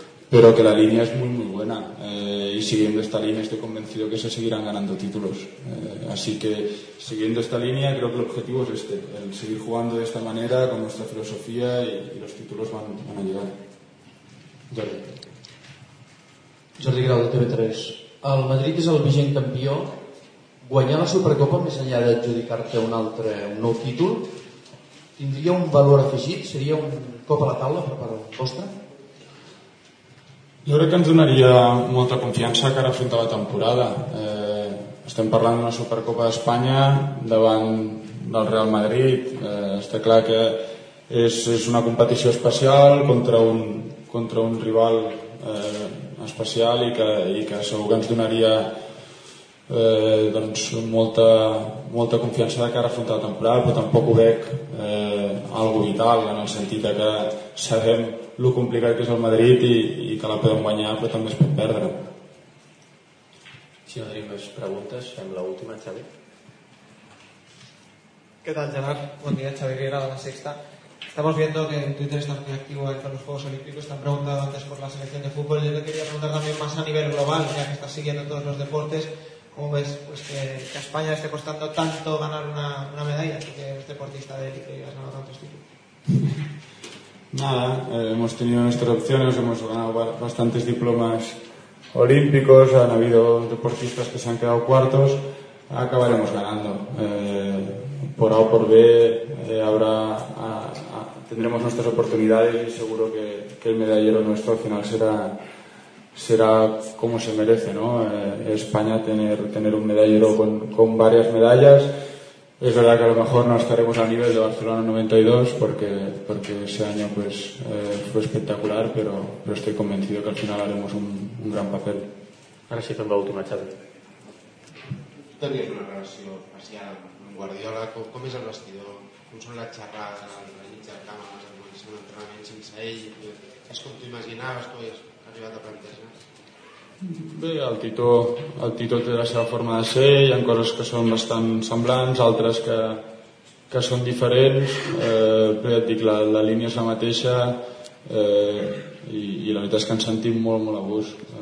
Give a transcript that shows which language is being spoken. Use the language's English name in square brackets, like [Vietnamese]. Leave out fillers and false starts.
[Spanish] Pero que la línea es muy, muy buena. Y siguiendo esta línea estoy convencido que se seguirán ganando títulos. Así que siguiendo esta línea creo que el objetivo es este, el seguir jugando de esta manera con nuestra filosofía y los títulos van a llegar. [Catalan] Jordi Grau, de TV3. El Madrid és el vigent campió. Guanyar la Supercopa, més enllà d'adjudicar-te un nou títol, tindria un valor afegit? Seria un cop a la taula per part vostra? Jo crec que ens donaria molta confiança cara a afrontar la temporada. Estem parlant d'una Supercopa d'Espanya davant del Real Madrid. Està clar que és una competició especial contra un rival especial i que segur que ens donaria doncs molta confiança de cara a afrontar la temporada, però tampoc ho veig algo vital, en el sentit que sabem lo complicat que és el Madrid i que la podem guanyar, però també es pot perdre. Si no tenim més preguntes, fem l'última, Xavi. Què tal, Gerard? Bon dia, Xavi Riera, de La Sexta. [Spanish] Estamos viendo que en Twitter está muy activo entre los Juegos Olímpicos, te han preguntado antes por la selección de fútbol. Yo te quería preguntar también más a nivel global, ya que estás siguiendo todos los deportes, ¿cómo ves pues, que a España le esté costando tanto ganar una medalla, tú que eres deportista de élite y has ganado tantos títulos? Nada, hemos tenido nuestras opciones, hemos ganado bastantes diplomas olímpicos, han habido deportistas que se han quedado cuartos, acabaremos ganando. Por A o por B, ahora tendremos nuestras oportunidades y seguro que el medallero nuestro al final será como se merece, ¿no? España tener un medallero con varias medallas. Es verdad que a lo mejor no estaremos al nivel de Barcelona 92 porque ese año pues fue espectacular, pero estoy convencido que al final haremos un gran papel. [Catalan] Ara sí, fem l'última, Xavi. Tenies una relació especial amb Guardiola. Com és el vestidor? Com són les xerrades a la mitja cama quan comença un entrenament sense ell? És com t'ho imaginaves, tu has arribat a plantejar? Bé, el Tito té la seva forma de ser, hi ha coses que són bastant semblants, altres que són diferents, però ja et dic, la línia és la mateixa i la veritat és que ens sentim molt, molt a gust.